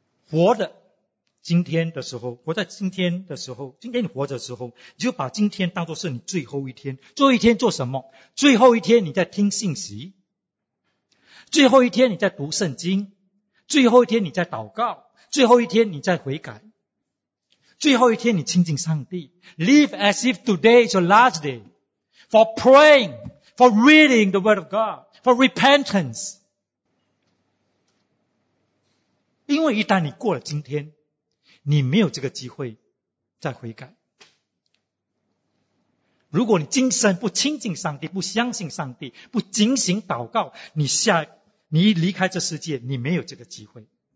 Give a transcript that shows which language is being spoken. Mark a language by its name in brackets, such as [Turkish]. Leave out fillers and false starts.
[Chinese] 活着今天的时候，活在今天的时候，今天你活着的时候，你就把今天当作是你最后一天。最后一天做什么？最后一天你在听信息。最后一天你在读圣经，最后一天你在祷告，最后一天你在悔改，最后一天你亲近上帝。 [English] Live as if today is your last day for praying, for reading the word of God, for repentance. [Chinese] 因为一旦你过了今天，你没有这个机会再悔改。如果你今生不亲近上帝，不相信上帝，不警醒祷告，你离开这世界，你没有这个机会。